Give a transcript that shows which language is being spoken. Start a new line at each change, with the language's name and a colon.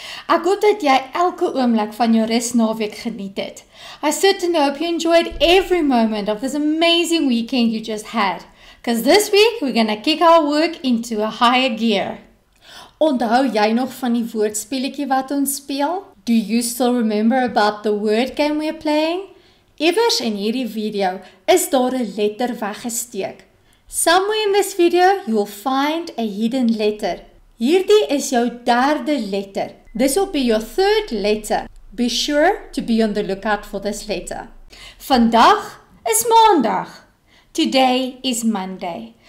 Afrikaans: Ek hoop dat jy elke oomblik van jou rusnaweek geniet het.
English: I certainly hope you enjoyed every moment of this amazing weekend you just had. Because this week we're going to kick our work into a higher gear.
Afrikaans: Onthou jy nog van die woordspeletjie wat ons speel?
English: Do you still remember about the word game we're playing?
Afrikaans: Iewers in hierdie video is daar 'n letter weggesteek.
English: Somewhere in this video, you will find a hidden letter.
Afrikaans: Hierdie is jou derde letter.
English: This will be your third letter. Be sure to be on the lookout for this letter.
Afrikaans: Vandag is Maandag.
English: Today is Monday.